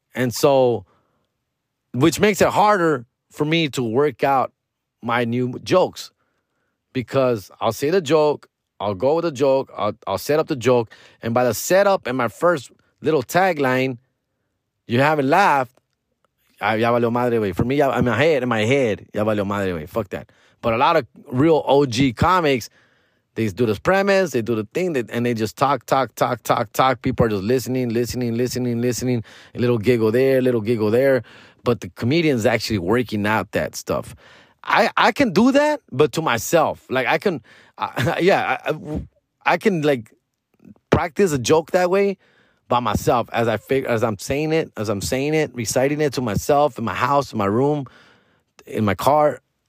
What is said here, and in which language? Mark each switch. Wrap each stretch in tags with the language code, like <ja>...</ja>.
<en>And so, which makes it harder for me to work out my new jokes, because I'll say the joke, I'll go with the joke, I'll set up the joke, and by the setup and my first little tagline, you haven't laughed.</en> <es>Ya valió madre, wey.</es> <en>For me, in my head,</en> <es>ya valió madre, wey.</es> <en>Fuck that. But a lot of real OG comics, they do this premise, they do the thing, and they just talk. People are just listening. A little giggle there, a little giggle there. But the comedian's actually working out that stuff. I can do that, but to myself. Like, I can practice a joke that way by myself as I'm saying it, reciting it to myself in my house, in my room, in my car.</en>